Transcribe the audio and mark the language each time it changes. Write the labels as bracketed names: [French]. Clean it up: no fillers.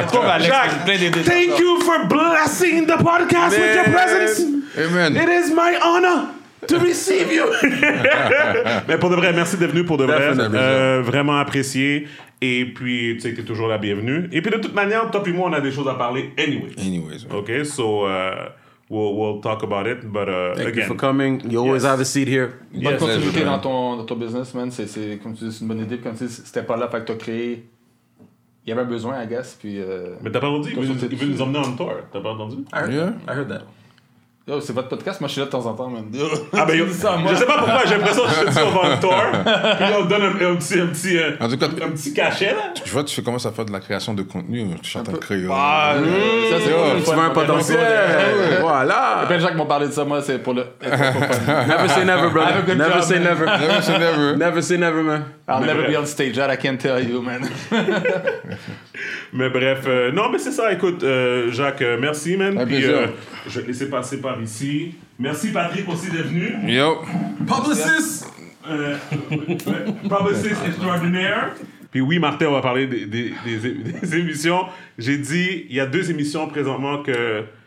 [English] Jacques, thank you for blessing the podcast with your presence. Amen. It is my honor to receive you. [French] Mais pour de vrai, merci d'être venu pour de vrai. Vraiment apprécié. Et puis, tu sais, t'es toujours la bienvenue. Et puis, de toute manière, toi et moi, on a des choses à parler anyways. Ouais. [English] OK, so we'll talk about it, but Thank you for coming. You always have a seat here. [French] Bonne continuité dans ton business, man. C'est comme tu dis, c'est une bonne idée. Comme tu dis, c'était pas là, fait que t'as créé... Il y avait besoin, I guess, puis... Mais t'as pas entendu? Il veut nous emmener en tour. T'as pas entendu? [English] I heard that. [French] Yo, c'est votre podcast, moi je suis là de temps en temps, man. Yo. Ah ben, je sais pas pourquoi, j'ai l'impression que je suis sur un tour. Puis là, on donne un petit cachet, là. Tu vois, tu commences à faire de la création de contenu, tu es en train de créer. Ah, ça c'est cool. Tu veux un potentiel. Voilà. Et plein de gens qui m'ont parlé de ça, moi, c'est pour le. [English] Never say never, brother. Never say never. Never say never. Never say never, man. I'll never be on stage, that I can't tell you, man. [French] Mais bref, non, mais c'est ça, écoute, Jacques, merci, man. Puis je vais te laisser passer par ici. Merci, Patrick, aussi d'être venu. Yo. [English] Publicist extraordinaire. [French] Puis oui, Martin, on va parler des émissions. J'ai dit, il y a deux émissions présentement que.